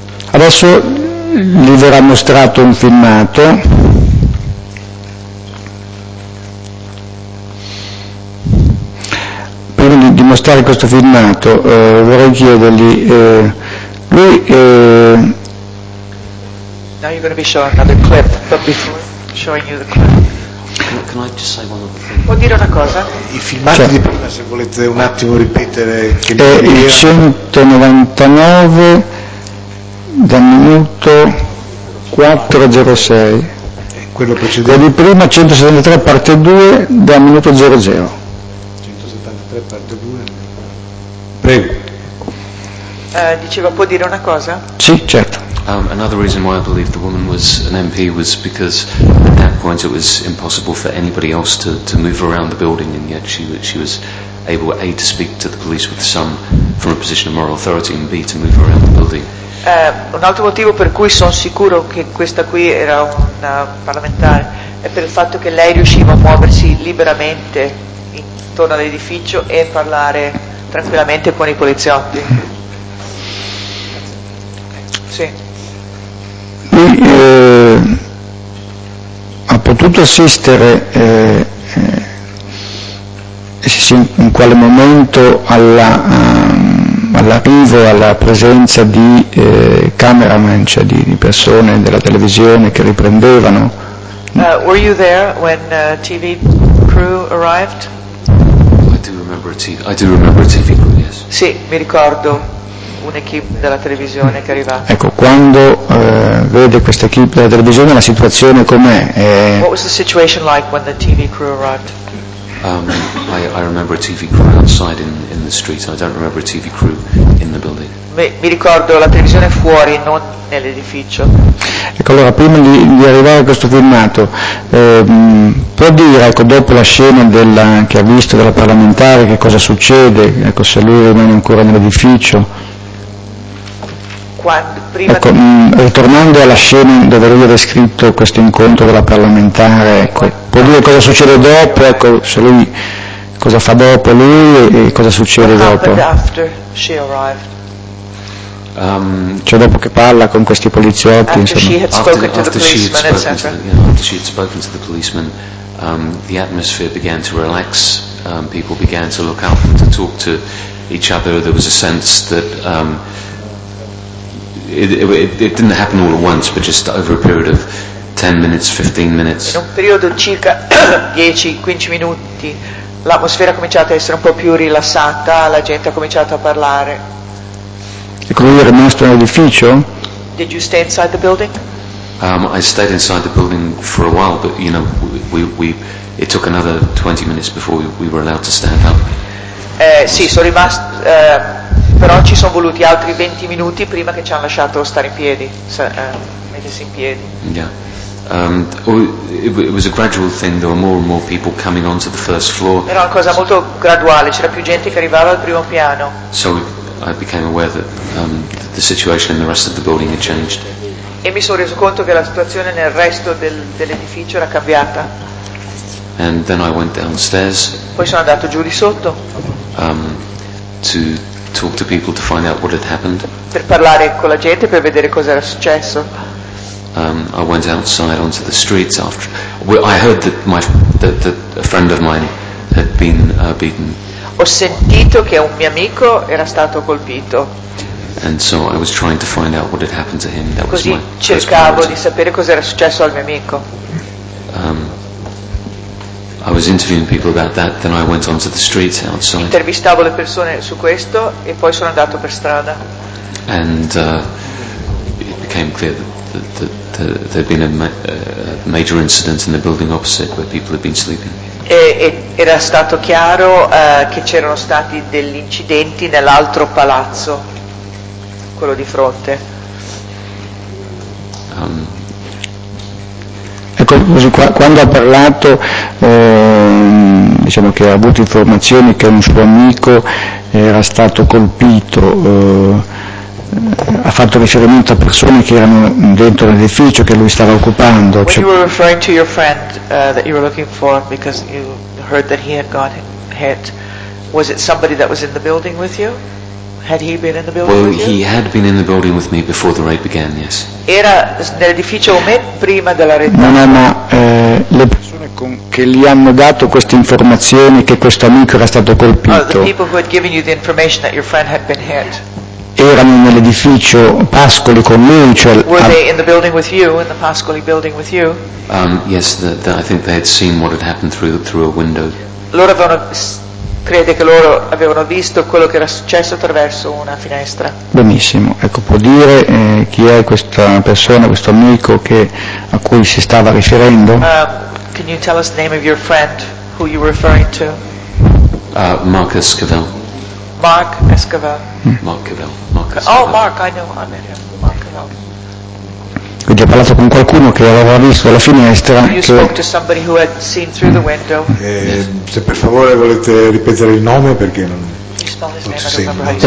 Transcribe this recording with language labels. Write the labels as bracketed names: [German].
[Italian] Adesso gli verrà mostrato un filmato. Prima di mostrare questo filmato vorrei chiedergli lui [English] Now you're going to be showing another clip, but before showing you the clip. Can I just say one other thing? [Italian] Vuol dire una cosa? I filmati, cioè, di prima, se volete un attimo ripetere che è il 199 dal minuto 406. Quello precedente. Di prima 173 parte 2 dal minuto 00. 173 parte 2. Prego. Diceva, può dire una cosa? Sì, certo. [English] Another reason why I believe the woman was an MP was because at that point it was impossible for anybody else to move around the building, and yet she was able, A, to speak to the police with some from a position of moral authority, and B, to move around the building. [Italian] Un altro motivo per cui sono sicuro che questa qui era una parlamentare è per il fatto che lei riusciva a muoversi liberamente intorno all'edificio e parlare tranquillamente con i poliziotti. Sì. Lui ha potuto assistere in quale momento all'arrivo, alla presenza di cameraman, cioè di persone della televisione che riprendevano. [English] Were you there when TV crew arrived? I do remember a TV crew, yes. [Italian] Sì, mi ricordo un'equipe della televisione che arrivava. Ecco, quando vede questa equipe della televisione, la situazione com'è? [English] What was the situation like when the TV crew arrived? I remember a TV crew outside in the street. I don't remember a TV crew in the building. [Italian] Mi ricordo la televisione fuori, non nell'edificio. Ecco, allora, prima di arrivare a questo filmato, può dire, ecco, dopo la scena che ha visto della parlamentare, che cosa succede, ecco, se lui rimane ancora nell'edificio? Ecco, ritornando alla scena dove lui ha descritto questo incontro della parlamentare, ecco, può dire cosa succede dopo, ecco, se lui, cosa fa dopo lui e cosa succede dopo? Cioè, dopo che parla con questi poliziotti, insomma. [English] After she had spoken to the policeman, the atmosphere began to relax, people began to look up and to talk to each other. There was a sense that it didn't happen all at once, but just over a period of 10 minutes, 15 minutes. [Italian] In un periodo circa 10-15 minuti l'atmosfera ha cominciato a essere un po' più rilassata, la gente ha cominciato a parlare. E come è rimasto nell'edificio? [English] Did you stay inside the building? I stayed inside the building for a while, but you know, we it took another 20 minutes before we were allowed to stand up. [Italian] Sì, sono rimasto, però ci sono voluti altri 20 minuti prima che ci hanno lasciato stare in piedi, mettersi in piedi. [English] Yeah. It was a gradual thing. There were more and more people coming onto the first floor. [Italian] Era una cosa molto graduale. C'era più gente che arrivava al primo piano. [English] So I became aware that the situation in the rest of the building had changed. [Italian] E mi sono reso conto che la situazione nel resto dell'edificio era cambiata. [English] And then I went downstairs. [Italian] Poi sono andato giù di sotto. [English] To talk to people to find out what had happened. [Italian] Per parlare con la gente per vedere cosa era successo. [English] I went outside onto the streets after. Well, I heard that that a friend of mine had been beaten. [Italian] Ho sentito che un mio amico era stato colpito. [English] And so I was trying to find out what had happened to him. That [Italian] Così [English] was my [Italian] cercavo di sapere cosa era successo al mio amico. [English] I was interviewing people about that. Then I went onto the streets outside. [Italian] Intervistavo le persone su questo e poi sono andato per strada. [English] And it became clear that. There had been a major incident in the building opposite where people had been sleeping. [Italian] Era stato chiaro che c'erano stati degli incidenti nell'altro palazzo, quello di fronte. Ecco, così quando ha parlato, diciamo che ha avuto informazioni che un suo amico era stato colpito. Ha fatto riferimento a persone che erano dentro l'edificio che lui stava occupando. [English] When you were referring to your friend that you were looking for because you heard that he had got hit, was it somebody that was in the building with you? Had he been in the building with you? Well, he had been in the building with me before the raid began, yes. [Italian] Era nell'edificio o me prima della raid? No, ma le persone che gli hanno dato queste informazioni che questo amico era stato colpito. [English] The people who had given you the information that your friend had been hit. [Italian] Erano nell'edificio Pascoli con lui, cioè. [English] Were they in the building with you, in the Pascoli building with you? Yes, I think they had seen what had happened through a window. [Italian] Loro avevano, crede che loro avevano visto quello che era successo attraverso una finestra. Benissimo, ecco, può dire chi è questa persona, questo amico che a cui si stava riferendo? [English] Can you tell us the name of your friend who you were referring to? Mark Escavel. Mark Escavel. Mark Cavell. Oh, Mark, I know, I met him. Mark Cavell. [Italian] Quindi ha parlato con qualcuno che aveva visto dalla finestra. [English] You spoke to somebody who had seen through the window. [Italian] Se per favore volete ripetere il nome perché non si sente.